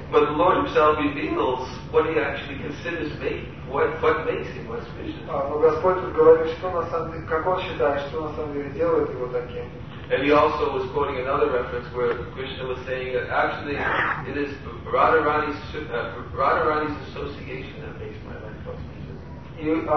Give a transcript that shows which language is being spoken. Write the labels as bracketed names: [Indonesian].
[English] But the Lord himself reveals what he actually considers being, what makes him auspicious. [Russian] Но Господь говорит, что на самом деле, как он считает, что на самом деле делает его таким. [English] And he also was quoting another reference where Krishna was saying that actually it is Radharani's association that makes my life auspicious.